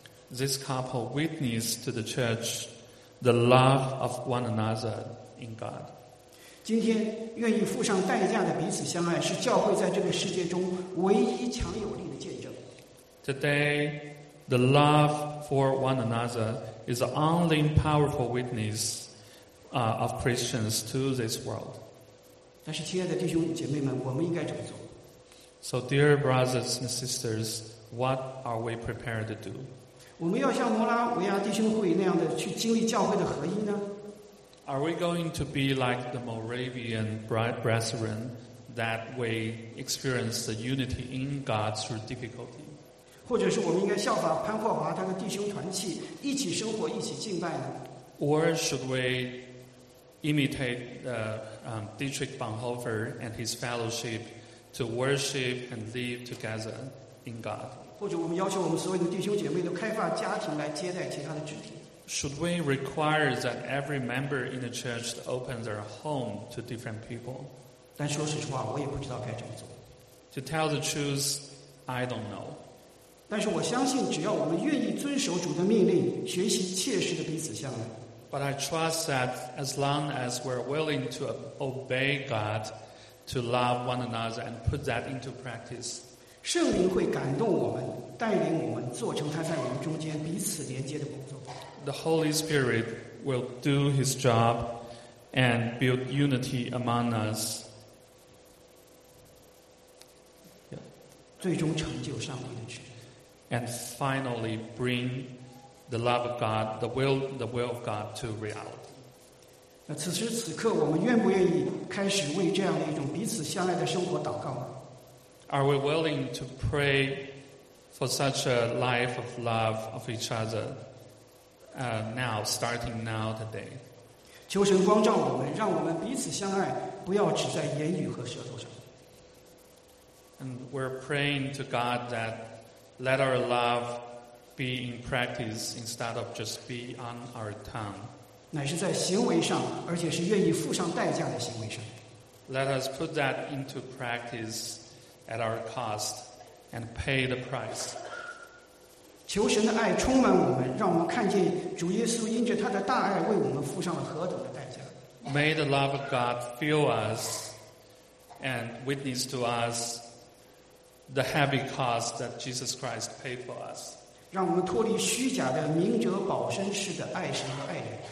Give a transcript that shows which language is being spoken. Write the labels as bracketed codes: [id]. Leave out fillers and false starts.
[en] This couple witnessed to the church the love of one another in God. [zh] 今天愿意付上代价的彼此相爱是教会在这个世界中唯一强有力的见证。 [en] Today, the love for one another is the only powerful witness of Christians to this world. [zh] 但是亲爱的弟兄姐妹们，我们应该怎么做？ [en] So dear brothers and sisters, what are we prepared to do? [zh] 我们要像摩拉维亚弟兄会那样的去经历教会的合一呢？ [en] Are we going to be like the Moravian brethren that we experience the unity in God through difficulty? [zh] 或者是我们应该效法潘霍华他的弟兄团契，一起生活，一起敬拜呢？ [en] Or should we imitate Dietrich Bonhoeffer and his fellowship to worship and live together in God? [zh] 或者我们要求我们所有的弟兄姐妹都开发家庭来接待其他的肢体？ [en] Should we require that every member in the church to open their home to different people? [zh] 但说实话，我也不知道该怎么做。 [en] To tell the truth, I don't know. [zh] 但是我相信，只要我们愿意遵守主的命令，学习切实的彼此相爱。 [en] But I trust that as long as we're willing to obey God, to love one another and put that into practice, [zh] 圣灵会感动我们，带领我们做成他在我们中间彼此连接的工作。 [en] The Holy Spirit will do His job and build unity among us. [zh] 最终成就上帝的旨意。 [en] And finally bring the love of God, the will of God to reality. [zh] 此时此刻我们愿不愿意开始为这样的一种彼此相爱的生活祷告？ [en] Are we willing to pray for such a life of love of each other? Starting now today. [zh] 求神光照我们，让我们彼此相爱，不要只在言语和舌头上。 [en] And we're praying to God that let our love be in practice instead of just be on our tongue. [zh] 乃是在行为上，而且是愿意付上代价的行为上。 [en] Let us put that into practice at our cost and pay the price. [zh] 求神的爱充满我们，让我们看见主耶稣因着他的大爱为我们付上了何等的代价。 [en] May the love of God fill us and witness to us the heavy cost that Jesus Christ paid for us. [zh] 让我们脱离虚假的明哲保身式的爱神和爱人。